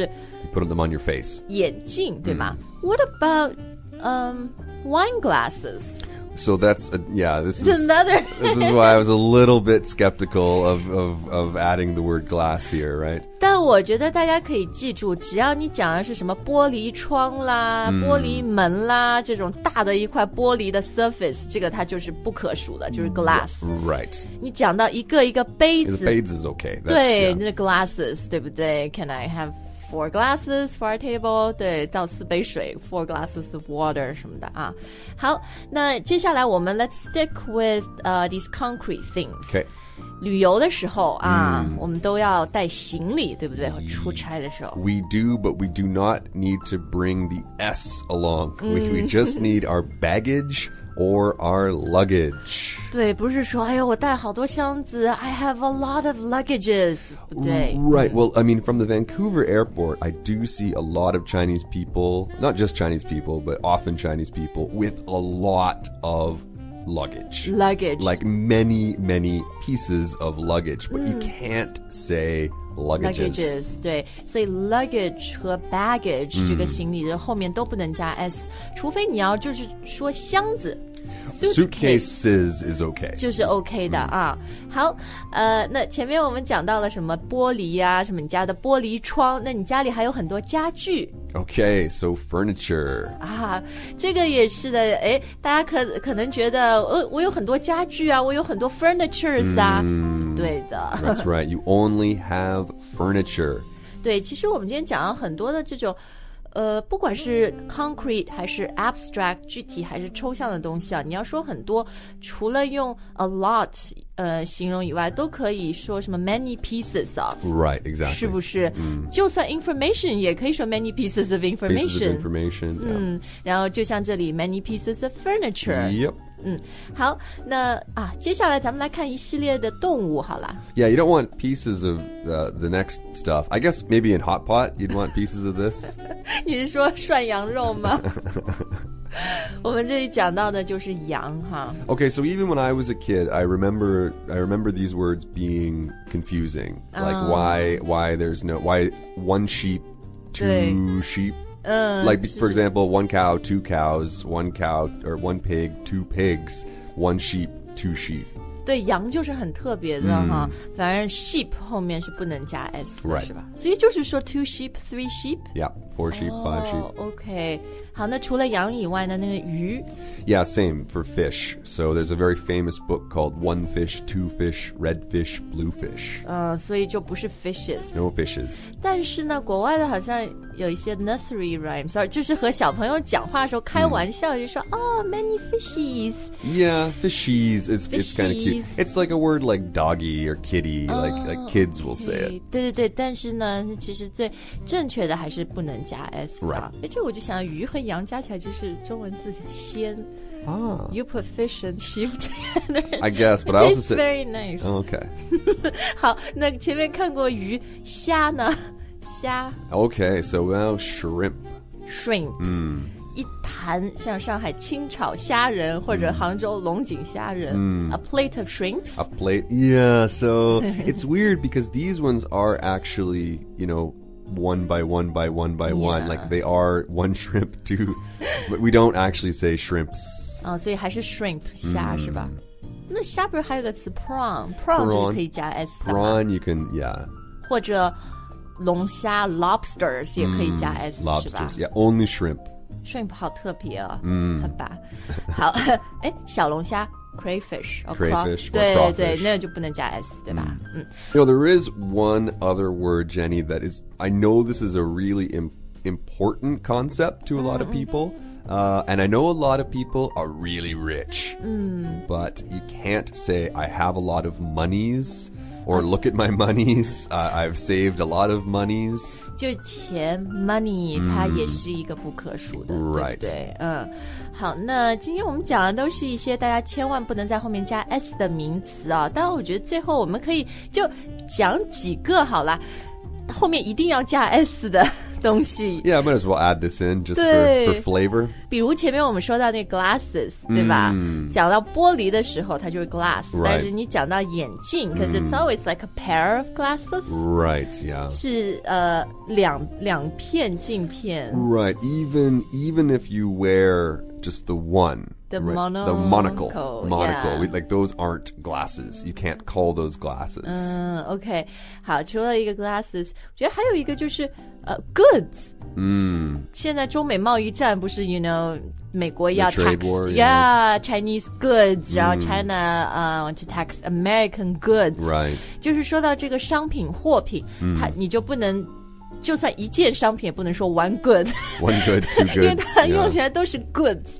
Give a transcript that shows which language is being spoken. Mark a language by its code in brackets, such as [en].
[en] You put them on your face. [zh] 眼镜对吗、mm. [en] What about wine glasses? So that's, another. this is why I was a little bit skeptical of adding the word glass here, right? [zh] 但我觉得大家可以记住，只要你讲的是什么玻璃窗啦、mm. 玻璃门啦，这种大的一块玻璃的 surface, 这个它就是不可数的，就是 glass. [en] Right. [zh] 你讲到一个一个杯子。 [en] The beads is okay. That's, [zh] 对、 [en] yeah. [zh] 那是 [en] glasses, [zh] 对不对 [en] Can I have four glasses for our table [zh] 对倒四杯水 [en] four glasses of water [zh] 什么的啊好那接下来我们 [en] let's stick with these concrete things、 okay. [zh] 旅游的时候啊、mm. 我们都要带行李对不对出差的时候 [en] we do but we do not need to bring the s along、mm. we just need our baggageOr our luggage. [zh] 对不是说哎呦我带好多箱子 [en] I have a lot of luggages. [zh] 对 [en] Right, well, I mean, from the Vancouver airport, I do see a lot of Chinese people, not just Chinese people, but often Chinese people with a lot of luggage. Luggage. Like many, many pieces of luggage, but、mm. you can't say... Luggages, [zh] 对，所以 luggage 和 baggage、mm. 这个行李的后面都不能加 s， 除非你要就是说箱子， [en] Suitcases is okay. [zh] 就是 OK 的、mm. 啊。好，那前面我们讲到了什么玻璃啊，什么你家的玻璃窗，那你家里还有很多家具。 [en] Okay, so furniture. [zh] 啊，这个也是的。哎，大家可能觉得，我有很多家具啊，我有很多 furnitures 啊。对的。 [en] That's right. You only have furniture. [zh] 对，其实我们今天讲了很多的这种。不管是 concrete 还是 abstract 具体还是抽象的东西啊，你要说很多，除了用 a lot 形容以外，都可以说什么 [en] many pieces of. Right, exactly. [zh] 是不是？Mm. 就算 information 也可以说 [en] many pieces of information. Pieces of information.、Yeah. [zh] 嗯，然后就像这里 [en] many pieces of furniture. Yep. [zh] 嗯，好，那啊，接下来咱们来看一系列的动物，好啦。 [en] Yeah, you don't want pieces of the next stuff. I guess maybe in hot pot, you'd want pieces of this. [zh] 你是说涮羊肉吗？我们这里讲到的就是羊哈。 [en] Okay, so even when I was a kid, I remember these words being confusing. Like why one sheep, two sheep. Like, for example, one cow, two cows, one cow, or one pig, two pigs, one sheep, two sheep. [zh] 对，羊就是很特别的、mm. 哈，反正 sheep 后面是不能加 s 的、 [en] right. [zh] 是吧？所以就是说 [en] two sheep, three sheep? Yeah, four sheep,、 oh, five sheep. Okay. [zh] 好，那除了羊以外呢，那个鱼？ [en] Yeah, same for fish. So there's a very famous book called One Fish, Two Fish, Red Fish, Blue Fish. [zh] 所以就不是 fishes. [en] No fishes. [zh] 但是呢，国外的好像有一些 nursery rhymes, 就是和小朋友讲话的时候开玩笑、mm. 就说 [en] Oh, many fishies. Yeah, fishies. It's kind of cute. It's like a word like doggy or kitty,、oh, like kids will、 okay. say it. [zh] 对对对，但是呢，其实最正确的还是不能加 s、 [en] right. [zh] 啊。哎，这我就想，鱼和羊加起来就是中文字鲜。啊、ah. [en] ，You put fish and sheep together. I guess, but I also said very nice. Okay. [zh] 好，那前面看过鱼虾呢？虾。 [en] Okay, so now shrimp. Shrimp. 嗯、mm.。 [zh] 一盘像上海清炒虾仁或者杭州龙井虾仁、 mm. [en] A plate of shrimps. A plate, yeah. So it's weird because these ones are actually, you know, one by one by one by、 yeah. one. Like they are one shrimp, two. But we don't actually say shrimps. [zh] 哦、所以还是 shrimp, 虾、mm. 是吧？那虾不是还有个词 prawn? Prawn 就是可以加 s 的。 [en] Prawn, you can, yeah. [zh] 或者龙虾 lobsters 也可以加 s,、mm. 是吧 [en] Lobsters, yeah, only shrimp. [zh] Shrimp 好特别哦、嗯、好吧好哎小龙虾 crayfish [en] or crawfish [zh] 对对那就不能加 s 对吧 [en] You know, there is one other word Jenny that is I know this is a really important concept to a lot of people、and I know a lot of people are really rich、but you can't say I have a lot of moneysOr look at my monies. I've saved a lot of monies. [zh] 就钱 money,、mm. 它也是一个不可数的、 [en] right. [zh] 对不对、好那今天我们讲的都是一些大家千万不能在后面加 s 的名词啊。但我觉得最后我们可以就讲几个好了后面一定要加 s 的东西。 [en] Yeah, I might as well add this in just for flavor. [zh] 比如前面我们说到那个 glasses,、 mm. 对吧讲到玻璃的时候它就是 glass,、 [en] right. [zh] 但是你讲到眼镜可是、 [en] mm. it's always like a pair of glasses. Right, yeah. [zh] 是、两片镜片。 [en] Right, even if you wear just the one. The monocle. Monocle.、 Yeah. We, like, those aren't glasses. You can't call those glasses.、 Okay. [zh] 好除了一个 glasses, 我觉得还有一个就是、goods. 现在中美贸易战不是 [en] you know, [zh] 美国要 [en] tax, trade war, yeah, Chinese goods,、然后 China、want to tax American goods. Right. [zh] 就是说到这个商品货品、你就不能就算一件商品也不能说 one good. [en] One good, two goods. [zh] 因为它用起来都是 goods,、